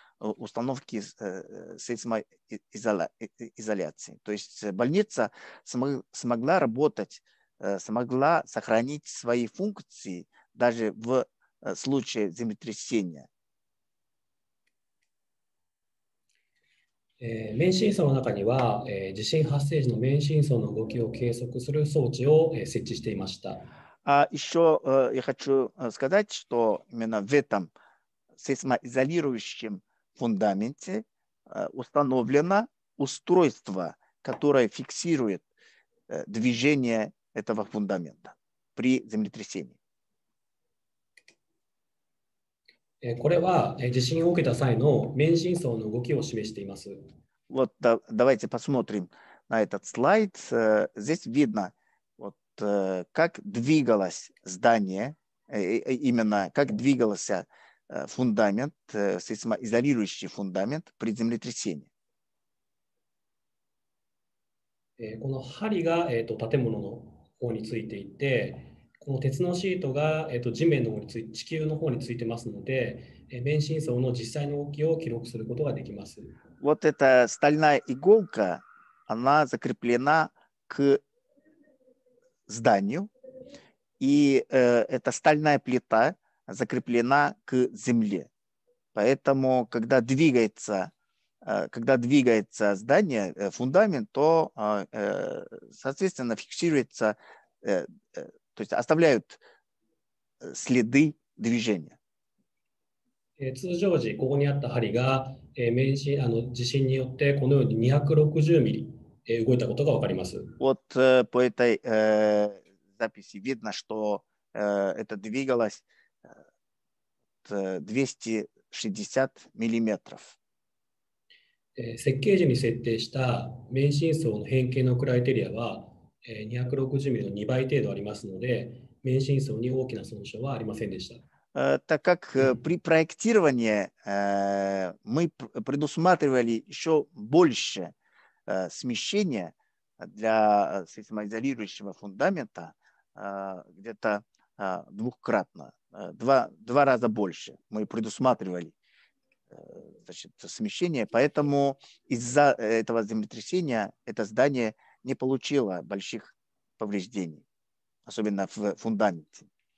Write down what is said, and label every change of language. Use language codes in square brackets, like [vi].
[ru] Установки сейсмоизоляции. То есть больница смогла работать, смогла сохранить свои функции даже в случае землетрясения. [ja] 免震層の中には、地震発生時の免震層の動きを計測する装置を設置していました。 [ru] А еще я хочу сказать, что именно в этом сейсмоизолирующемфундаменте установлено устройство, которое фиксирует движение этого фундамента при землетрясении. [ja] これは地震を受けた際の免震層の動きを示しています。 [ru] Вот давайте посмотрим на этот слайд. Здесь видно, вот как двигалось здание, именно как двигалось. Фундамент, сейсмоизолирующий фундамент при землетрясении. [ja] この針が建物の方についていて、この鉄のシートが地面の方につい地球の方についてますので、免震層の実際の動きを記録することができます。 [ru] Вот эта стальная иголка, она закреплена к зданию, и эта стальная плита. Закреплена к земле. Поэтому, когда двигается когда двигается здание, фундамент, то, соответственно, фиксируется, то есть оставляют следы движения. [ja] 通常時ここにあった針が、免震あの地震によってこのように260ミリ、動いたことがわかります。 [ru] Вот по этой записи видно, что это двигалось 260 миллиметров. [ja] 設計時に設定した免震層の変形のクライテリアは、260ミリの2倍程度ありますので、免震層に大きな損傷はありませんでした。 [ru] Так как при проектировании мы предусматривали еще больше смещения для сейсмоизолирующего фундамента, где-то двукратно, два раза больше мы предусматривали значит, смещение, поэтому из-за этого землетрясения это здание не получило больших повреждений, особенно в фундаменте.